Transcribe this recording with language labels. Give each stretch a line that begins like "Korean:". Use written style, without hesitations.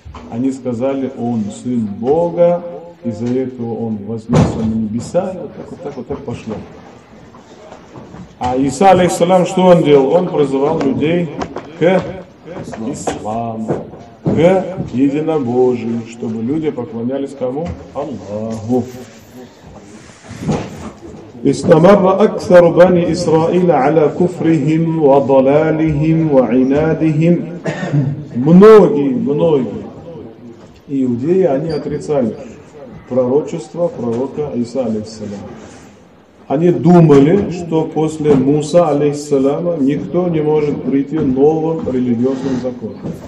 Russian: Они сказали, он сын Бога, из-за этого он вознесся на небеса, и вот так вот так вот так пошло. А Иса, алейхиссалям, что он делал? Он призывал людей к исламу, к единобожию, чтобы люди поклонялись кому? Аллаху.
Arabic: استمر أكثر بني إسرائيل على كفرهم وضلالهم وعنادهم.
Russian: Многие иудеи, они отрицали пророчество пророка Иса, алейхиссалям. Они думали, что после Муса, алейхиссалама, никто не может прийти новым религиозным законом.